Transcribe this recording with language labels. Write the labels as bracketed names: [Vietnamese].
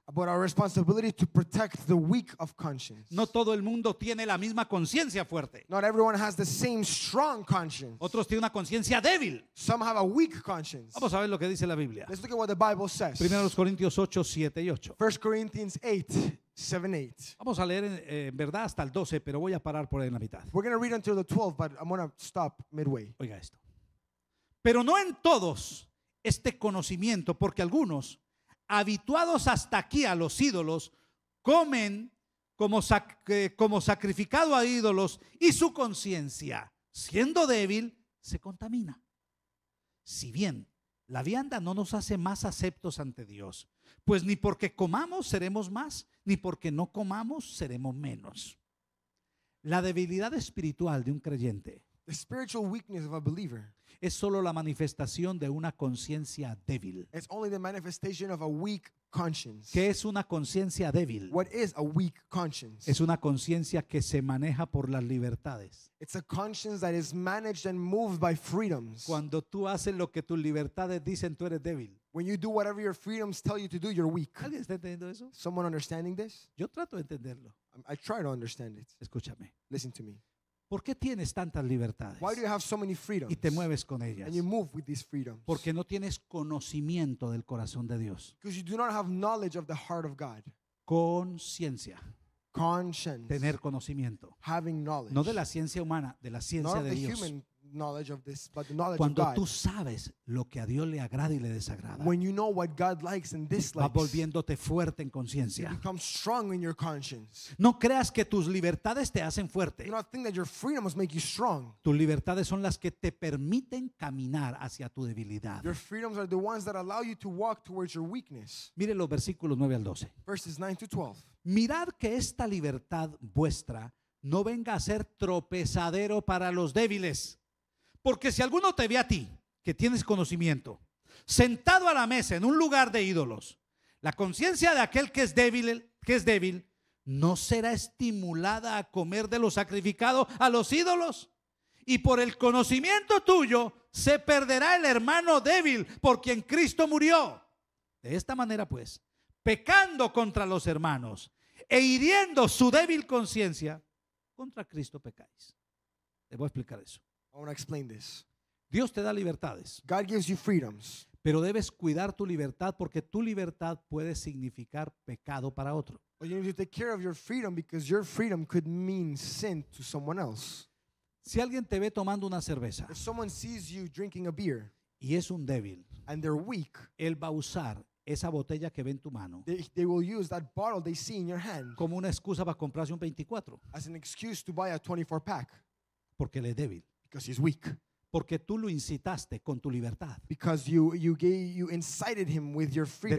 [English] About our responsibility to protect the weak of conscience. [Spanish] No todo el mundo tiene la misma conciencia fuerte. [English] Not everyone has the same strong conscience. [Spanish] Otros tienen una conciencia débil. [English] Some have a weak conscience. [Spanish] Vamos a ver lo que dice la Biblia. [English] Let's look at what the Bible says. [Spanish] 1 Corintios 8:7-8. [English] 1 Corinthians 8:7-8. [Spanish] Vamos a leer en verdad hasta el 12, pero voy a parar por ahí en la mitad. [English] We're going to read until the 12, but I'm going to stop midway. [Spanish] Oiga esto. Pero no en todos este conocimiento, porque algunos, habituados hasta aquí a los ídolos, comen como sacrificado a ídolos, y su conciencia, siendo débil, se contamina. Si bien la vianda no nos hace más aceptos ante Dios, pues ni porque comamos seremos más, ni porque no comamos seremos menos. La debilidad espiritual de un creyente, [English] the spiritual weakness of a believer, [Spanish] es solo la manifestación de una conciencia débil. [English] It's only the manifestation of a weak conscience. [Spanish] ¿Qué es una conciencia débil? [English] What is a weak conscience? [Spanish] Es una conciencia que se maneja por las libertades. [English] It's a conscience that is managed and moved by freedoms. [Spanish] Cuando tú haces lo que tus libertades dicen, tú eres débil. [English] When you do whatever your freedoms tell you to do, you're weak. [Spanish] ¿Alguien está entendiendo eso? [English] Someone understanding this? [Spanish] Yo trato de entenderlo. [English] I try to understand it. [Spanish] Escúchame. [English] Listen to me. [Spanish] ¿Por qué tienes tantas libertades? [English] Why do you have so many freedoms? [Spanish] Y te mueves con ellas. [English] And you move with these freedoms. [Spanish] Porque no tienes conocimiento del corazón de Dios. [English] Because you do not have knowledge of the heart of God. [Spanish] Conciencia. [English] Conscience. [Spanish] Tener conocimiento. [English] Having knowledge. [Spanish] No de la ciencia humana, de la ciencia [English] not [Spanish] de [English] the [Spanish] Dios. [English] Human, knowledge of this, but the knowledge [Spanish] cuando [English] of God. [Spanish] Tú sabes lo que a Dios le agrada y le desagrada. [English] When you know what God likes and dislikes. [Spanish] Va volviéndote fuerte en conciencia. [English] You become strong in your conscience. [Spanish] No creas que tus libertades te hacen fuerte. [English] You don't think that your freedoms make you strong. [Spanish] Tus libertades son las que te permiten caminar hacia tu debilidad. [English] Your freedoms are the ones that allow you to walk towards your weakness. [Spanish] Mire los versículos 9 al 12. [English] Verses 9 to 12. [Spanish] Mirad que esta libertad vuestra no venga a ser tropezadero para los débiles. Porque si alguno te ve a ti, que tienes conocimiento, sentado a la mesa en un lugar de ídolos, la conciencia de aquel que es débil, no será estimulada a comer de lo sacrificado a los ídolos. Y por el conocimiento tuyo se perderá el hermano débil por quien Cristo murió. De esta manera, pues, pecando contra los hermanos e hiriendo su débil conciencia, contra Cristo pecáis. Te voy a explicar eso. [English] I want to explain this. [Spanish] Dios te da libertades. [English] God gives you freedoms. [Spanish] Pero debes cuidar tu libertad porque tu libertad puede significar pecado para otro. [English] Well, you need to take care of your freedom because your freedom could mean sin to someone else. [Spanish] Si alguien te ve tomando una cerveza, [English] if someone sees you drinking a beer, [Spanish] y es un débil, [English] and they're weak, [Spanish] él va a usar esa botella que ve en tu mano, [English] they will use that bottle they see in your hand, [Spanish] como una excusa para comprarse un 24, [English] as an excuse to buy a 24 pack, [Spanish] porque él es débil. [English] Because he's weak. [Spanish] Porque tú lo incitaste con tu libertad. [English] Because you incited him with your freedom.